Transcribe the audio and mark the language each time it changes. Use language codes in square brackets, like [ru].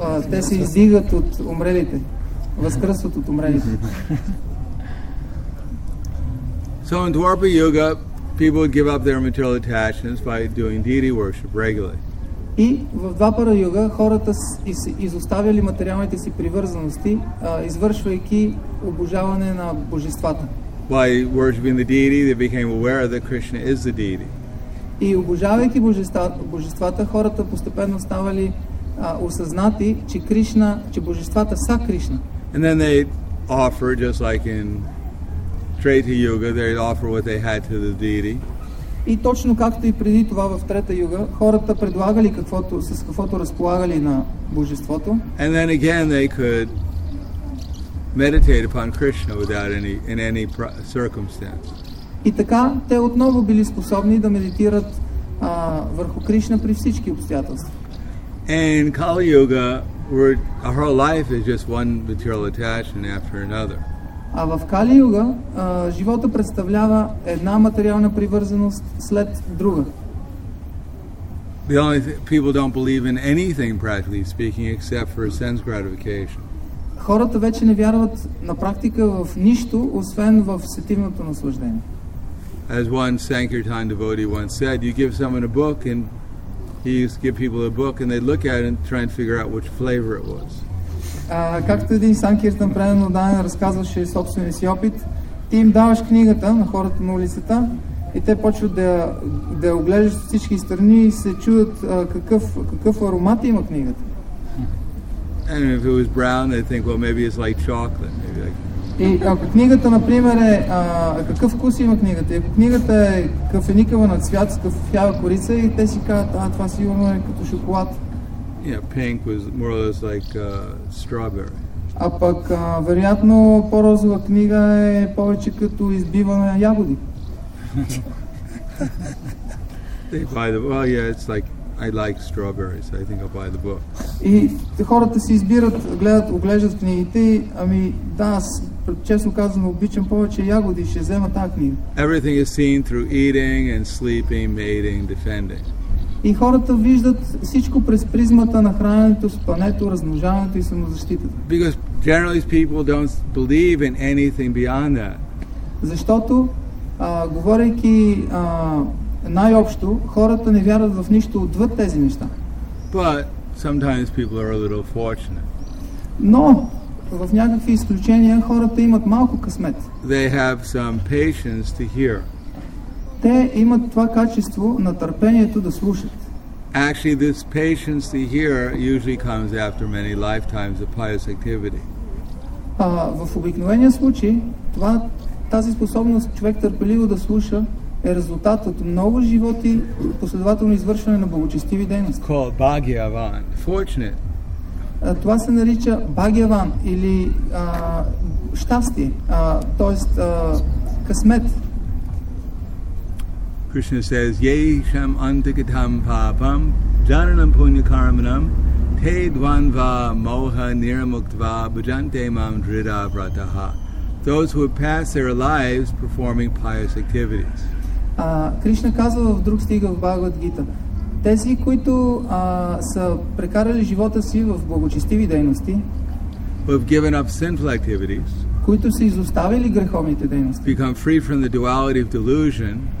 [bg] Те се издигат от умрелите. Възкръсват от умрелите. [en] So in Dwarpa Yuga, people would give up their material attachments by doing deity worship regularly. [bg] И в Двапара Юга хората изоставяли материалните си привързаности, извършвайки обожаване на божествата. [en] By worshiping the deity, they became aware that Krishna is the deity. [bg] И обожавайки божествата, хората постепенно ставали осъзнати, че Кришна, че божествата са Кришна. [en] And then they offer, just like in Treta Yuga, they offer what they had to the deity. [bg] И точно както и преди това в Трета Юга, хората предлагали каквото, с каквото разполагали на божеството. [en] And then again they could meditate upon Krishna without any, in any circumstance. [bg] И така те отново били способни да медитират върху Кришна при всички обстоятелства. [en] And Kali Yuga, our life is just one material attachment after another. [bg] А в Кали Юга живота представлява една материална привързаност след друга. [en] The only people don't believe in anything, practically speaking, except for sense gratification. [bg] Хората вече не вярват на практика в нищо, освен в сетивното наслаждение. [en] As one Sankirtan devotee once said, you give someone a book and he used to give people a book and they'd look at it and try and figure out which flavor it was. [bg] Както един Санкиртан предано даден разказваше собствения си опит, ти им даваш книгата на хората на улицата и те почват да оглеждат всички страни и се чудят какъв аромат има книгата. [en] And if it was brown, they'd think, well, maybe it's like chocolate. Maybe like... [bg] И ако книгата, например, е... какъв вкус има книгата? Ако книгата е кафеникава на цвят, кафява корица, и те си казват, а това сигурно е като шоколад. [en] Yeah, pink was more or less like strawberry. [bg] А пък, вероятно, по-розова книга е повече като избиване на ягоди. [en] They buy the book. Well, yeah, it's like, I like strawberries, I think I'll buy the book. [bg] И хората си избират, гледат, оглеждат книгите, ами да, аз, честно казано, обичам повече ягоди, ще взема тази книга. [en] Everything is seen through eating and sleeping, mating, defending. [bg] И хората виждат всичко през призмата на храненето, спането, размножаването и самозащитата. [en] Because generally people don't believe in anything beyond that. [bg] Защото, говорейки най-общо, хората не вярват в нищо отвъд тези неща. [en] But sometimes people are a little fortunate. [bg] Но в някакви изключения хората имат малко късмет. [en] They have some patience to hear. [bg] Те имат това качество на търпението да слушат. [en] Actually, this patience to hear usually comes after many lifetimes of pious activity. [bg] В обикновения случай, тази способност човек търпеливо да слуша е резултат от много животи, последователно извършване на благочестиви дейности. [en] Called Bhagyavan, fortunate. [bg] Това се нарича Bhagyavan или щастие, т.е. късмет. [en] Krishna says, [sa] Yesham antikitam papam jananam punyakarmanam te dvanva moha niramuktva bhajante mam drida vrataha. [en] Those who have passed their lives performing pious activities. [bg] Krishna казва в друг стих в Бхагавад Гита, тези, които са прекарали живота си в благочестиви дейности, [en] who have given up sinful activities, [bg] които са изоставили греховните дейности, [en] become free from the duality of delusion,